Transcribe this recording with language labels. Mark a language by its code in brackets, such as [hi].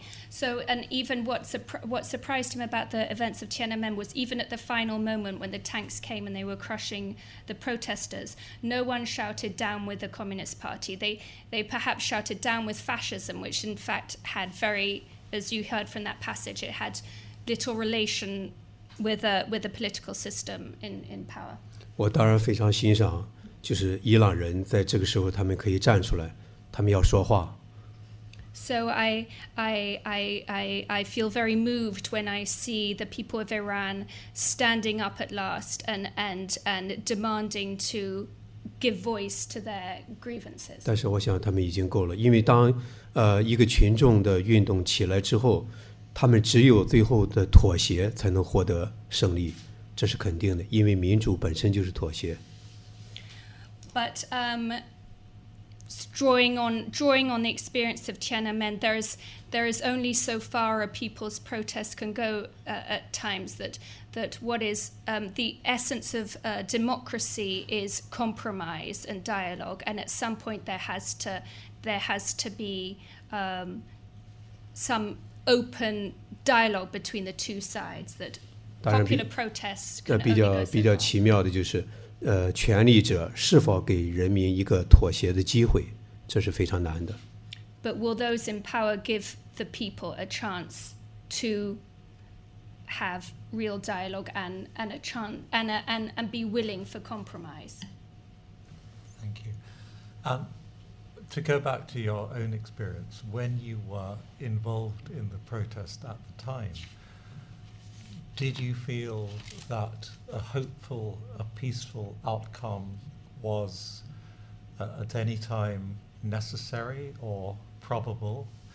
[en] So, and even what surprised him about the events of Tiananmen was even at the final moment when the tanks came and they were crushing the protesters, no one shouted down with the Communist Party. They perhaps shouted down with fascism, which in fact had very, as you heard from that passage, it had little relation with the political system in power. [zh] 我当然非常欣赏，就是伊朗人在这个时候他们可以站出来。他们要说话。 [en] So I feel very moved when I see the people of Iran standing up at last and demanding to give voice to their grievances. [zh] 但是我想他们已经够了，因为当一个群众的运动起来之后，他们只有最后的妥协才能获得胜利，这是肯定的，因为民主本身就是妥协。 [en] But Drawing on the experience of Tiananmen, there is only so far a people's protest can go at times. That what is the essence of democracy is compromise and dialogue. And at some point there has to be some open dialogue between the two sides. That popular protests can only go so far. [zh] 比较奇妙的就是。权力者是否给人民一个妥协的机会，这是非常难的。 [en] But will those in power give the people a chance to have real dialogue and be willing for compromise? Thank you. To go back to your own experience, when you were involved in the protest at the time,Did you feel that a hopeful, a peaceful outcome was at any time necessary or probable?